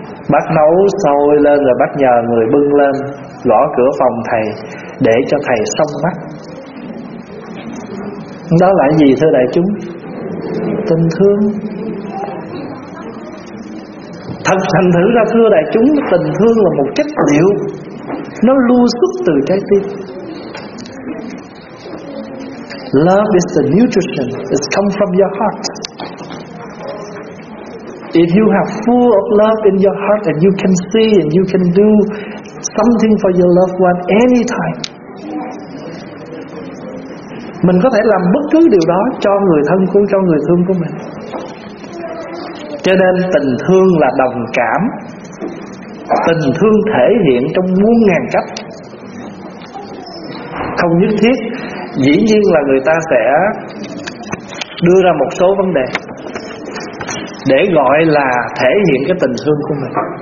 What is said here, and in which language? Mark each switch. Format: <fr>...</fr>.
<vi>Bác nấu sôi lên rồi bác nhờ người bưng lên gõ cửa phòng thầy để cho thầy xông mắt. Đó là gì thưa đại chúng? Tình thương. Thật thành thử ra thưa đại chúng, tình thương là một chất liệu, nó lưu xuất từ trái tim.</vi> <en>Love is the nutrition, it comes from your heart. If you have full of love in your heart and you can see and you can do something for your loved one anytime.</en> <vi>Mình có thể làm bất cứ điều đó cho người thân của, cho người thương của mình. Cho nên tình thương là đồng cảm. Tình thương thể hiện trong muôn ngàn cách. Không nhất thiết, dĩ nhiên là người ta sẽ đưa ra một số vấn đề để gọi là thể hiện cái tình thương của mình.</vi>